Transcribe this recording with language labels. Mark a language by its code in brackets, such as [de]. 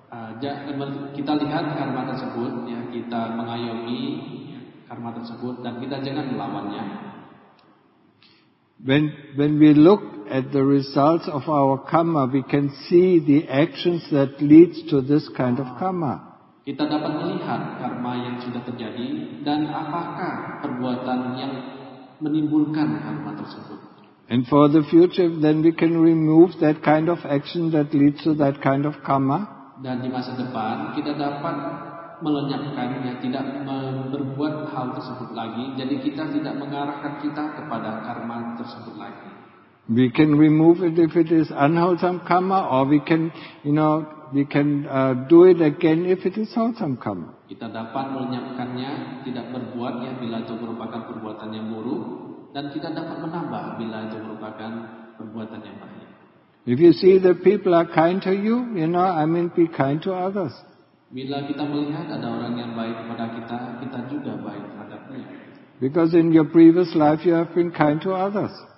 [id] Kita lihat karma tersebut, ya, kita mengayomi karma tersebut, dan kita jangan melawannya. [en] When we look at the results of our karma, we can see the actions that leads to this kind of karma. [id] Kita dapat melihat karma yang sudah terjadi dan apakah perbuatan yang menimbulkan karma tersebut. [en] And for the future, then we can remove that kind of action that leads to that kind of karma. [id] Dan di masa depan kita dapat melenyapkannya, tidak berbuat hal tersebut lagi. Jadi kita tidak mengarahkan kita kepada karma tersebut lagi. [en] We can remove it if it is unwholesome karma, or we can, you know, we can do it again if it is wholesome karma. [id] Kita dapat melenyapkannya, tidak berbuatnya bila itu merupakan perbuatan yang buruk, dan kita dapat menambah bila itu merupakan perbuatan yang baik. [en] If you see the people are kind to you, you know, I mean, be kind to others. [id] Bila kita melihat ada orang yang baik kepada kita, kita juga baik terhadapnya. [en] Because in your previous life you have been kind to others.